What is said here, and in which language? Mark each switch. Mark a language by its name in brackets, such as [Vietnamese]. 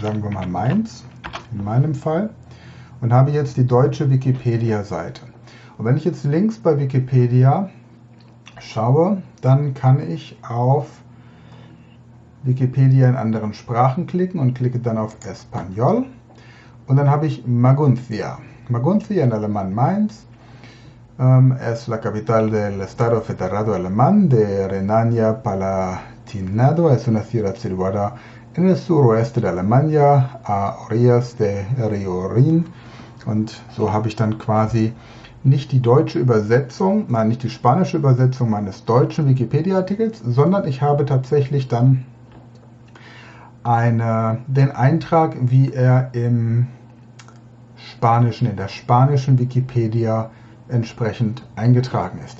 [German] Sagen wir mal Mainz, in meinem Fall. Und habe jetzt die deutsche Wikipedia-Seite. Und wenn ich jetzt links bei Wikipedia schaue, dann kann ich auf Wikipedia in anderen Sprachen klicken und klicke dann auf Espanol. Und dann habe ich Maguncia. [Spanish] Maguncia in Alemán, Mainz. Es la capital del Estado Federado Alemán de Renania-Palatinado. Es una ciudad situada en el suroeste de Alemania, a orillas de Río Rin. [German] Und so habe ich dann quasi nicht die deutsche Übersetzung, nein, nicht die spanische Übersetzung meines deutschen Wikipedia-Artikels, sondern ich habe tatsächlich dann den Eintrag, wie er im Spanischen, in der spanischen Wikipedia entsprechend eingetragen ist.